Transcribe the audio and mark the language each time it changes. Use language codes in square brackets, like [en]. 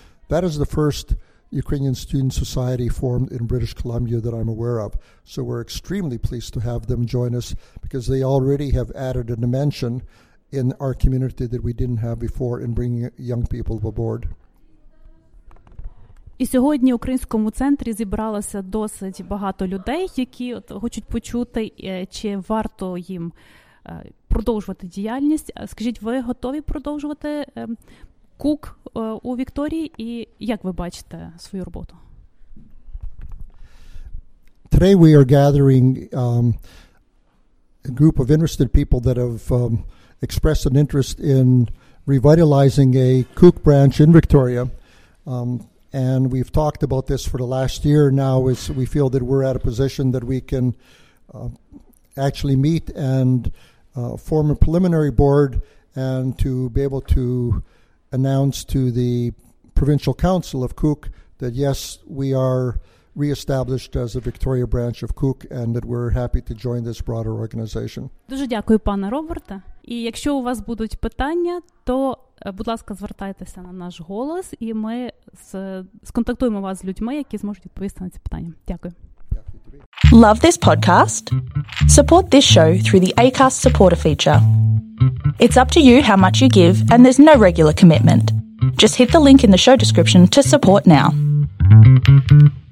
[en] That is the first Ukrainian Student Society formed in British Columbia that I'm aware of. So we're extremely pleased to have them join us because they already have added a dimension in our community that we didn't have before in bringing young people aboard. [uk] І сьогодні в українському центрі зібралося досить багато людей, які от хочуть почути, чи варто їм продовжувати діяльність. Скажіть, ви готові продовжувати КУК у Вікторії? І як ви бачите свою роботу? [en] Today we are gathering a group of interested people that have expressed an interest in revitalizing a КУК branch in Victoria. And we've talked about this for the last year now. Is we feel that we're at a position that we can actually meet and form a preliminary board and to be able to announce to the Provincial Council of KUK that, yes, we are reestablished as a Victoria branch of KUK and that we're happy to join this broader organization. [uk] Дуже дякую, пане Роберте. І якщо у вас будуть питання, то, будь ласка, звертайтеся на наш голос, і ми сконтактуємо вас з людьми, які зможуть відповісти на ці питання. Дякую. [en] Love this podcast? Support this show through the Acast supporter feature. It's up to you how much you give, and there's no regular commitment. Just hit the link in the show description to support now.